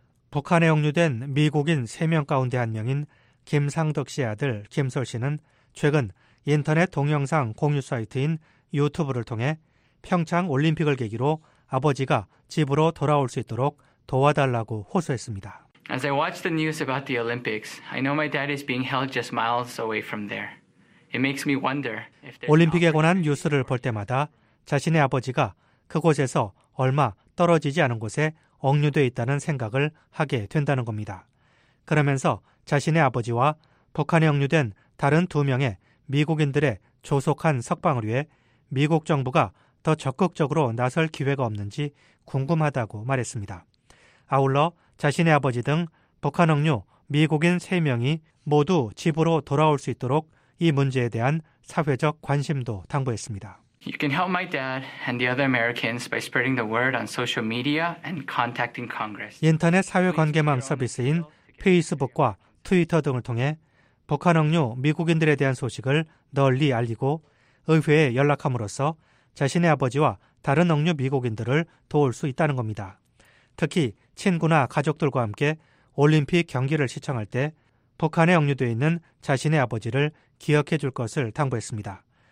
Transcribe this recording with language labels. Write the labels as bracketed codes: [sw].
[ko] 북한에 억류된 미국인 3명 가운데 한 명인 김상덕 씨 아들 김솔 씨는 최근 인터넷 동영상 공유 사이트인 유튜브를 통해 평창 올림픽을 계기로 아버지가 집으로 돌아올 수 있도록 도와달라고 호소했습니다. [en] As I watch the news about the Olympics, I know my dad is being held just miles away from there. It makes me wonder if there's [ko] 올림픽에 관한 뉴스를 볼 때마다 자신의 아버지가 그곳에서 얼마 떨어지지 않은 곳에 억류돼 있다는 생각을 하게 된다는 겁니다. 그러면서 자신의 아버지와 북한에 억류된 다른 두 명의 미국인들의 조속한 석방을 위해 미국 정부가 더 적극적으로 나설 기회가 없는지 궁금하다고 말했습니다. 아울러 자신의 아버지 등 북한 억류 미국인 3명이 모두 집으로 돌아올 수 있도록 이 문제에 대한 사회적 관심도 당부했습니다. [en] You can help my dad and the other Americans by spreading the word on social media and contacting Congress. [ko] 인터넷 사회관계망 서비스인 페이스북과 트위터 등을 통해 북한 억류 미국인들에 대한 소식을 널리 알리고 의회에 연락함으로써 자신의 아버지와 다른 억류 미국인들을 도울 수 있다는 겁니다. 특히 친구나 가족들과 함께 올림픽 경기를 시청할 때 북한에 억류되어 있는 자신의 아버지를 기억해 줄 것을 당부했습니다.